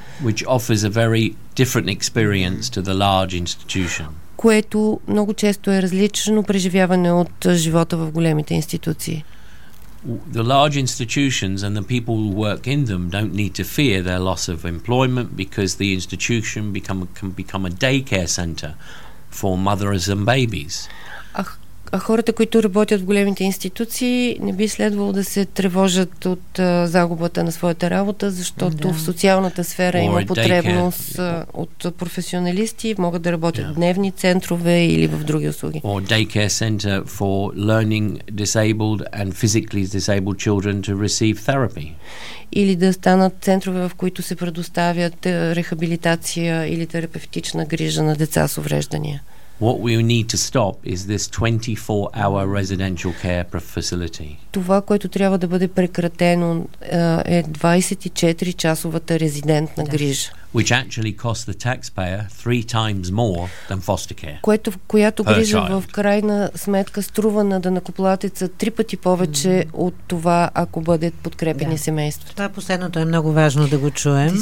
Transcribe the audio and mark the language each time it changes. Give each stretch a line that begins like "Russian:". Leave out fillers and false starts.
English: Which offers a very different experience to the large institution.
Bulgarian: Което много често е различно преживяване от живота в големите институции.
English: The large institutions and the people who work in them don't need to fear their loss of employment because the institution can become a daycare center for mothers and babies.
Bulgarian: А хората, които работят в големите институции, не би следвало да се тревожат от загубата на своята работа, защото в социалната сфера има потребност от професионалисти, могат да работят в дневни центрове или в други услуги.
English: Or daycare center for learning disabled and physically disabled children to receive therapy.
Bulgarian: Или да станат центрове, в които се предоставят рехабилитация или терапевтична грижа на деца с увреждания.
English: What we need to stop is this 24-hour residential care facility.
Bulgarian: Това, което трябва да бъде прекратено, е 24-часовата резидентна грижа.
English: which actually cost the taxpayer three times more than foster care.
Bulgarian: Което, която грижа в крайна сметка струва на данъкоплатеца три пъти повече от това, ако бъдат подкрепени семейства. Това последното е много важно да го чуем.